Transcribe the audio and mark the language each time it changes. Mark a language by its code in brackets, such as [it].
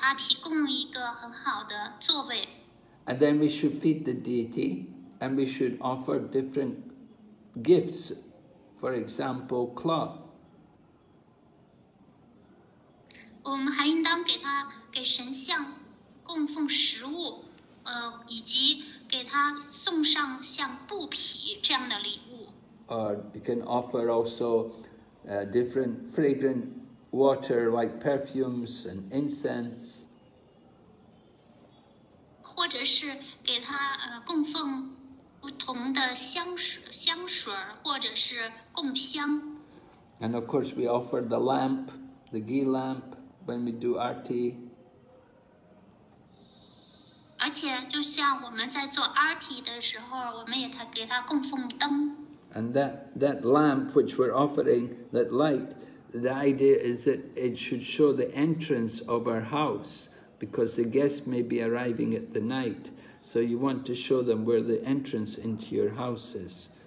[zh] 可以给他供奉檀香，在额头上供奉檀香浆叶，还有佩戴上花环，以及给他提供一个很好的座位。 [en] And then we should feed the deity, and we should offer different gifts, for example, cloth. [zh] 我们还应当给他给神像供奉食物，以及给他送上像布匹这样的礼物。 [en] Or you can offer also different fragrant water like perfumes and incense. [zh] 或者是给他供奉。不同的香水，或者是供香。 [en] And of course, we offer the lamp, the ghee lamp, when we do arti. [zh] 而且，就像我们在做 arti 的时候，我们也给他供奉灯。 [en] And that lamp which we're offering, that light, the idea is that it should show the entrance of our house, because the guests may be arriving at the night. So you want to show them where the entrance into your house is.